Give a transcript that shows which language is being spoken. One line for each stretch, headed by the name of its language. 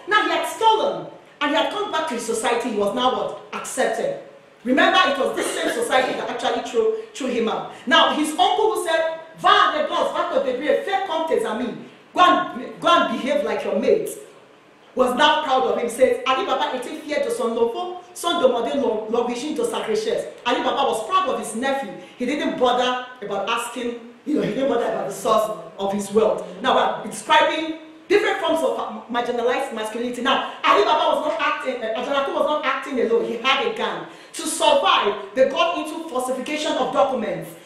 English: Now he had stolen, and he had come back to his society. He was now what? Accepted. Remember, it was this same society that actually threw him out. Now, his uncle who said,
French: va à Lagos, va te débrouiller, fais comme tes amis,
English: go and behave like your mates, was now proud of him. He said,
French: Ali Baba était fier de son enfant, son demandé l'origine de sa richesse.
English: Ali Baba was proud of his nephew. He didn't bother about asking, you know, he didn't bother about the source of his wealth. Now, I'm describing different forms of marginalized masculinity. Now, Ali Baba was not acting, Ajanaku was not acting alone. He had a gang. To survive, they got into falsification of documents.